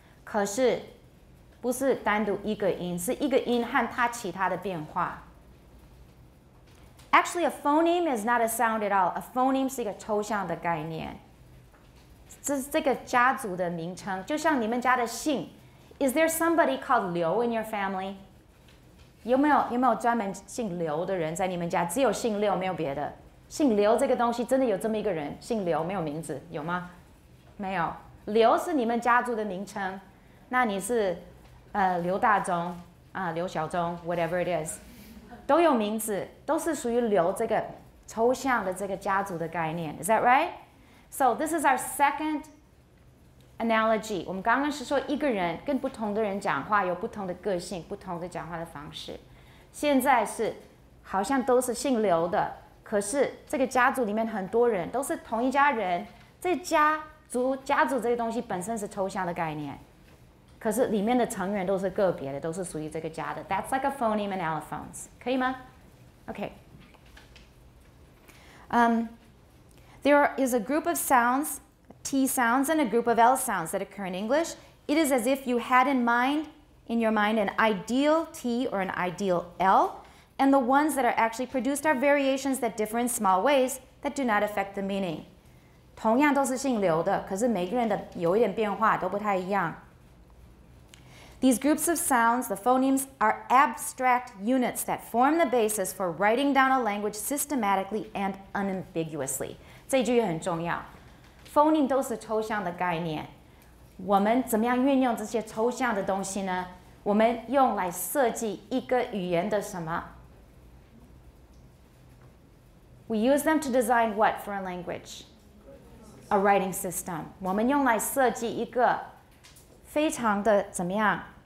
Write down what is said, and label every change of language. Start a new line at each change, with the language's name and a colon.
Chinese: 可是不是单独一个音，是一个音和它其他的变化。
English: Actually, a phoneme is not a sound at all. A phoneme
Chinese: 是一个抽象的概念。这是这个家族的名称，就像你们家的姓。
English: Is there somebody called Liu in your family?
Chinese: 有没有专门姓刘的人在你们家？只有姓刘，没有别的。姓刘这个东西真的有这么一个人，姓刘没有名字，有吗？没有。刘是你们家族的名称，那你是刘大中啊，刘小中 ，
English: whatever it is，
Chinese: 都有名字，都是属于刘这个抽象的这个家族的概念。
English: Is that right? So this is our second analogy.
Chinese: 我们刚刚是说一个人跟不同的人讲话有不同的个性，不同的讲话的方式。现在是好像都是姓刘的，可是这个家族里面很多人都是同一家人。这家族家族这个东西本身是抽象的概念。可是里面的成员都是个别的，都是属于这个家的。
English: That's like a phoneme and allophones.
Chinese: 可以吗 ？
English: Okay. There is a group of sounds, T sounds, and a group of L sounds that occur in English. It is as if you had in your mind an ideal T or an ideal L, and the ones that are actually produced are variations that differ in small ways that do not affect the meaning.
Chinese: 同样都是姓刘的，可是每个人的有一点变化都不太一样。
English: These groups of sounds, the phonemes, are abstract units that form the basis for writing down a language systematically and unambiguously.
Chinese: 这句也很重要。Phoneme 都是抽象的概念。我们怎么样运用这些抽象的东西呢？我们用来设计一个语言的什么？
English: We use them to design what for a language? A writing system.
Chinese: 我们用来设计一个非常的怎么样？